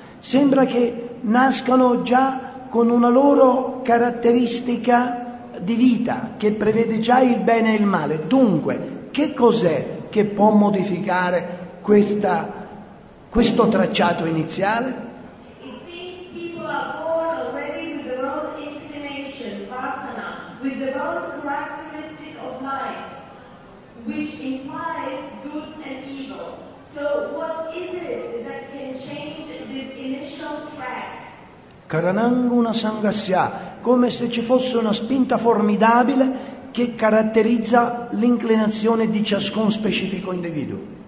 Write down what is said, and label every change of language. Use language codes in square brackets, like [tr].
[it] Sembra che nascano già con una loro caratteristica di vita che prevede già il bene e il male. Dunque, che cos'è che può modificare questo tracciato iniziale? [en] It seems people are born already with their own inclination, vasana, with their own characteristic of life, which implies good and evil. So what is it that can change this initial track? [sa] Karananguna sangasya, [it] come se ci fosse una spinta formidabile che caratterizza l'inclinazione di ciascun specifico individuo.